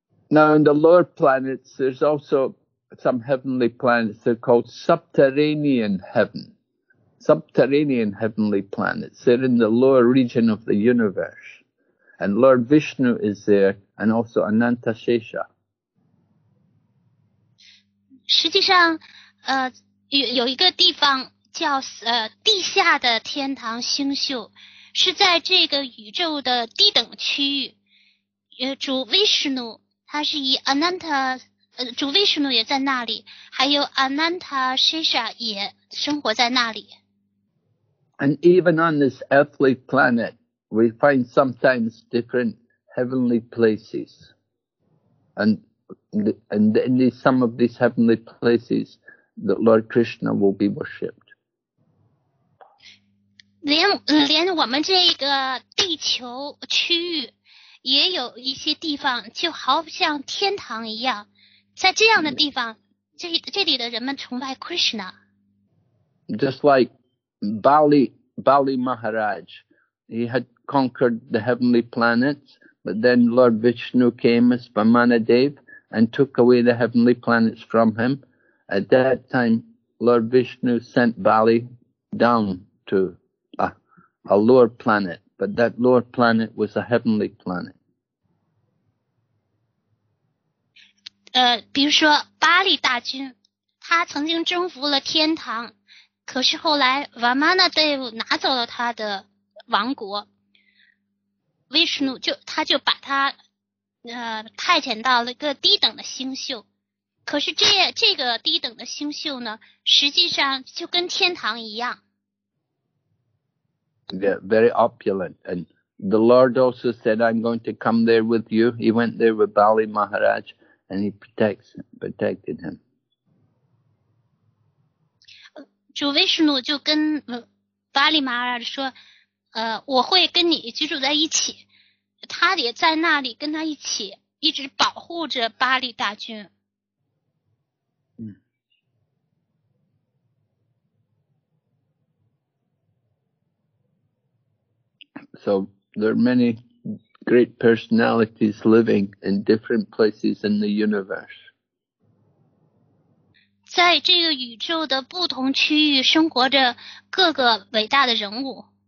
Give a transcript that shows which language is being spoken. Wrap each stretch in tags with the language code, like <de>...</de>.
<en>Now, in the lower planets, there's also some heavenly planets. They're called subterranean heaven. Subterranean heavenly planets. They're in the lower region of the universe. And Lord Vishnu is there, and also Anantashesha.</en> <zh>实际上，有一个地方叫地下的天堂星宿，是在这个宇宙的低等区域。主 Vishnu他是以 Ananta, 主 Vishnu 也在那里，还有 Ananta Shesha 也生活在那里。</zh> <en>And even on this earthly planet, we find sometimes different heavenly places. And in some of these heavenly places, the Lord Krishna will be worshipped.</en> <zh>连我们这个地球区域也有一些地方就好像天堂一样，在这样的地方，这里的人们崇拜 Krishna.</zh> <en>Just like Bali Maharaj, he had conquered the heavenly planets, but then Lord Vishnu came as Vamanadeva and took away the heavenly planets from him. At that time, Lord Vishnu sent Bali down to a lower planet. But that lower planet was a heavenly planet.</en> <zh>比如说巴利大君，他曾经征服了天堂，可是后来 Vamanadeva 拿走了他的王国，维什努他就把他派遣到了一个低等的星宿，可是这个低等的星宿呢，实际上就跟天堂一样。</zh> <en>Yeah, very opulent. And the Lord also said, I'm going to come there with you. He went there with Bali Maharaj and he protected him.</en> <zh>主 Vishnu 就跟 Bali Maharaj 说，我会跟你居住在一起。他也在那里跟他一起，一直保护着巴利大君。</zh> <en>So there are many great personalities living in different places in the universe.</en> <zh>在这个宇宙的不同区域生活着各个伟大的人物。</zh>